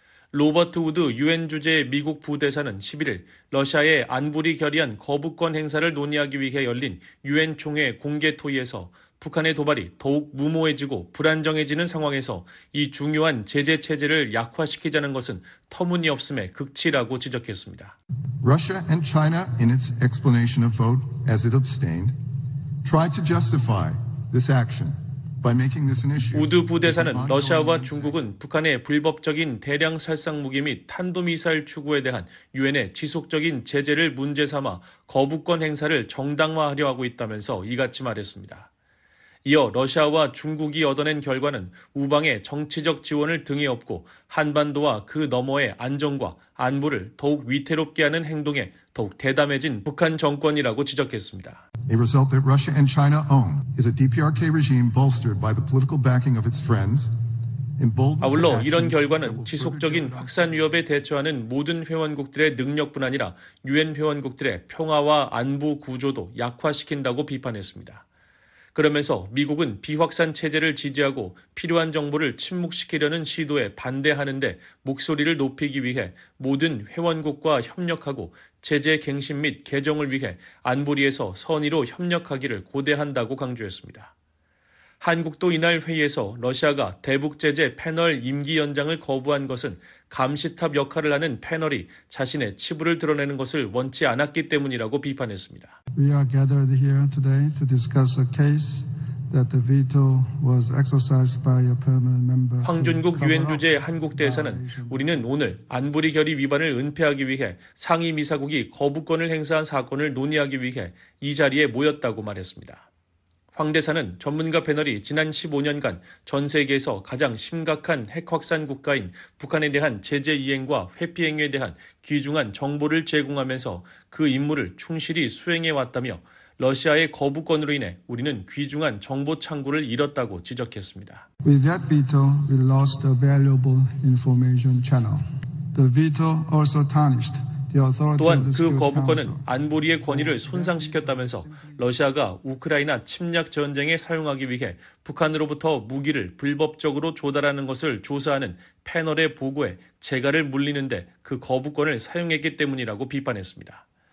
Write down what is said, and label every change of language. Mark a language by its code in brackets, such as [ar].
[ko] 로버트 우드 유엔 주재 미국 부대사는 11일 러시아의 안보리 결의안 거부권 행사를 논의하기 위해 열린 유엔 총회 공개 토의에서 북한의 도발이 더욱 무모해지고 불안정해지는 상황에서 이 중요한 제재 체제를 약화시키자는 것은 터무니없음의 극치라고 지적했습니다. [en] Russia and China in its explanation of vote as it abstained tried to justify this action. [ko] 우드 부대사는 러시아와 중국은 북한의 불법적인 대량 살상 무기 및 탄도미사일 추구에 대한 유엔의 지속적인 제재를 문제 삼아 거부권 행사를 정당화하려 하고 있다면서 이같이 말했습니다. 이어 러시아와 중국이 얻어낸 결과는 우방의 정치적 지원을 등에 업고 한반도와 그 너머의 안정과 안보를 더욱 위태롭게 하는 행동에 더욱 대담해진 북한 정권이라고 지적했습니다. [en] A result that Russia and China own is a DPRK regime bolstered by the political backing of its friends. [ko] 아울러 이런 결과는 지속적인 확산 위협에 대처하는 모든 회원국들의 능력뿐 아니라 유엔 회원국들의 평화와 안보 구조도 약화시킨다고 비판했습니다. 그러면서 미국은 비확산 체제를 지지하고 필요한 정보를 침묵시키려는 시도에 반대하는데 목소리를 높이기 위해 모든 회원국과 협력하고 제재 갱신 및 개정을 위해 안보리에서 선의로 협력하기를 고대한다고 강조했습니다. 한국도 이날 회의에서 러시아가 대북 제재 패널 임기 연장을 거부한 것은 감시탑 역할을 하는 패널이 자신의 치부를 드러내는 것을 원치 않았기 때문이라고 비판했습니다. [en] We are gathered here today to discuss a case that the veto was exercised by a permanent member. [ko] 황준국 유엔 주재 한국 대사는 우리는 오늘 안보리 결의 위반을 은폐하기 위해 상임이사국이 거부권을 행사한 사건을 논의하기 위해 이 자리에 모였다고 말했습니다. 황 대사는 전문가 패널이 지난 15년간 전 세계에서 가장 심각한 핵 확산 국가인 북한에 대한 제재 이행과 회피 행위에 대한 귀중한 정보를 제공하면서 그 임무를 충실히 수행해왔다며 러시아의 거부권으로 인해 우리는 귀중한 정보 창구를 잃었다고 지적했습니다. [en] With that veto, we lost a valuable information channel. The veto also tarnished. [ko] 또한 그 거부권은 안보리의 권위를 손상시켰다면서 러시아가 우크라이나 침략 전쟁에 사용하기 위해 북한으로부터 무기를 불법적으로 조달하는 것을 조사하는 패널의 보고에 재갈을 물리는데 그 거부권을 사용했기 때문이라고 비판했습니다.